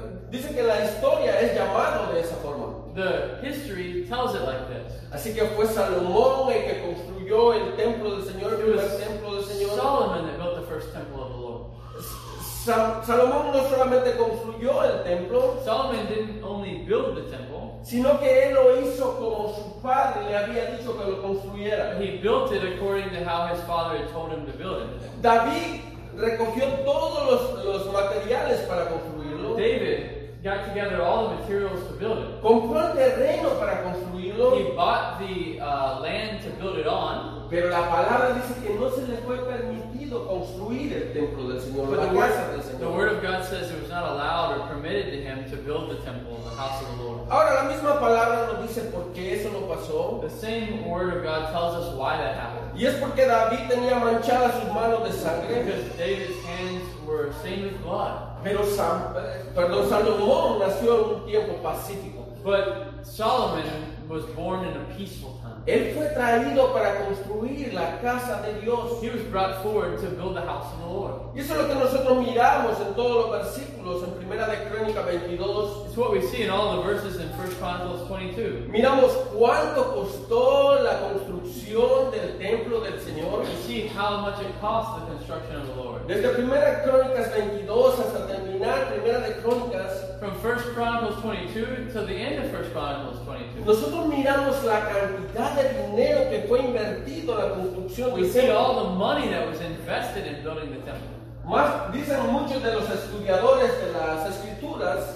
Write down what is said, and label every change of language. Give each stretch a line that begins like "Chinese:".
Spanish: Dice que la historia es llamado de esa forma.
English: The history tells it like this.
Spanish: Así que fue Salomón el que construyó el templo del Señor, el primer templo del Señor.
English: Solomon that built the first temple of the Lord.
Spanish: Salomón no solamente construyó el templo.
English: Solomon didn't only build the temple.
Spanish: Sino que él lo hizo como su padre le había dicho que lo construyera.
English: He built it according to how his father had told him to build it.
Spanish: David recogió todos los materiales para construirlo.
English: David got together all the materials to build it.
Spanish: Compró el terreno para construirlo.
English: He bought the land to build it on.
Spanish: Pero la palabra dice que no se le fue permitido construir el templo del Señor.
English: But the word of God says it was not allowed or permitted to him to build the temple, the house of the Lord.
Spanish: Ahora la misma palabra nos dice por qué eso no pasó.
English: The same word of God tells us why that happened.
Spanish: Y es porque David tenía manchadas sus manos de sangre.
English: Because David's hands were stained with blood.
Spanish: Pero Salomón nació en un tiempo pacífico.
English: But Solomon was born in a peaceful time.
Spanish: Él fue traído para construir la casa de Dios.
English: He was brought forward to build the house of the Lord.
Spanish: Y eso es lo que nosotros miramos en todos los versículos en Primera de Crónica 22.
English: It's what we see in all the verses in 1 Chronicles 22.
Spanish: Miramos cuánto costó la construcción del templo del Señor.
English: We see how much it cost the construction of the Lord.
Spanish: Desde Primera Crónicas 22 hasta terminar Primera de Crónicas.
English: From 1 Chronicles 22 to the end of 1 Chronicles 22.
Spanish: Nosotros miramos la cantidad de dinero que fue invertido en la construcción.
English: We see all the money that was invested in building the temple.
Spanish: Más dicen muchos de los estudiadores de las escrituras.